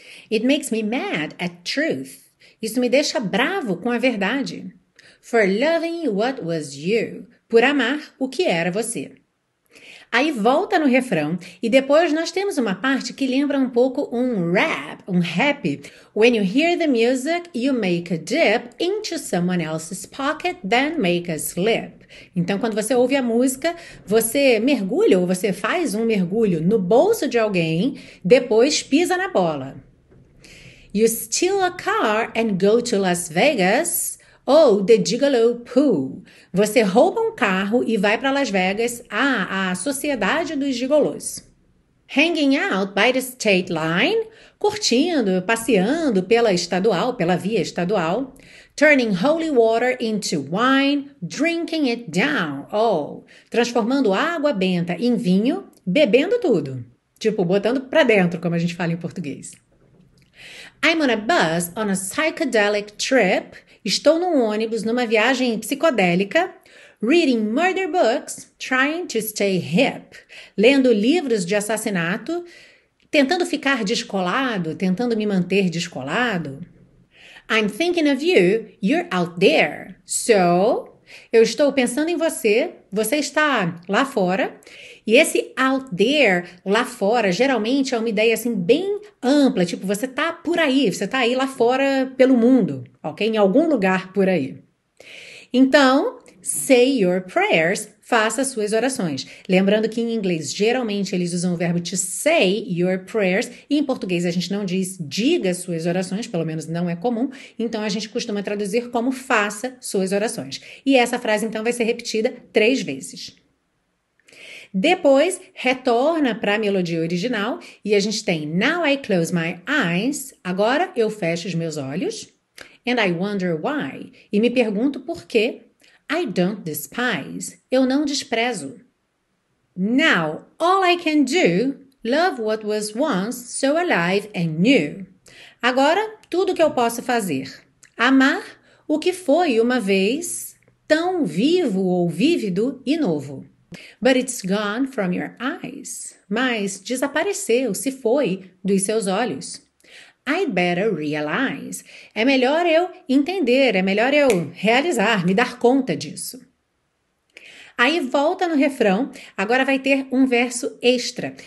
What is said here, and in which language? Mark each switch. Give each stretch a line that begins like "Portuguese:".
English: It makes me mad at truth.
Portuguese: Isso me deixa bravo com a verdade.
English: For loving what was you.
Portuguese: Por amar o que era você. Aí volta no refrão e depois nós temos uma parte que lembra um pouco um rap, um happy.
English: When you hear the music, you make a dip into someone else's pocket, then make a slip.
Portuguese: Então, quando você ouve a música, você mergulha ou você faz um mergulho no bolso de alguém, depois pisa na bola.
English: You steal a car and go to Las Vegas. Oh, the gigolo pool.
Portuguese: Você rouba um carro e vai para Las Vegas, a sociedade dos gigolos.
English: Hanging out by the state line,
Portuguese: curtindo, passeando pela estadual, pela via estadual.
English: Turning holy water into wine, drinking it down.
Portuguese: Oh, transformando água benta em vinho, bebendo tudo. Tipo, botando para dentro, como a gente fala em português.
English: I'm on a bus on a psychedelic trip.
Portuguese: Estou num ônibus numa viagem psicodélica,
English: reading murder books, trying to stay hip,
Portuguese: lendo livros de assassinato, tentando ficar descolado, tentando me manter descolado.
English: I'm thinking of you, you're out there.
Portuguese: So, eu estou pensando em você, você está lá fora. E esse out there, lá fora, geralmente é uma ideia assim bem ampla, tipo você tá por aí, você tá aí lá fora pelo mundo, ok? Em algum lugar por aí. Então,
English: say your prayers,
Portuguese: faça suas orações. Lembrando que em inglês geralmente eles usam o verbo to say your prayers e em português a gente não diz diga suas orações, pelo menos não é comum. Então a gente costuma traduzir como faça suas orações. E essa frase então vai ser repetida 3 vezes. Depois retorna para a melodia original e a gente tem
English: Now I close my eyes.
Portuguese: Agora eu fecho os meus olhos.
English: And I wonder why.
Portuguese: E me pergunto por quê.
English: I don't despise.
Portuguese: Eu não desprezo.
English: Now all I can do, love what was once so alive and new.
Portuguese: Agora tudo que eu posso fazer, amar o que foi uma vez tão vivo ou vívido e novo.
English: But it's gone from your eyes.
Portuguese: Mas desapareceu, se foi dos seus olhos.
English: I'd better realize.
Portuguese: É melhor eu entender, é melhor eu realizar, me dar conta disso. Aí volta no refrão, agora vai ter um verso extra.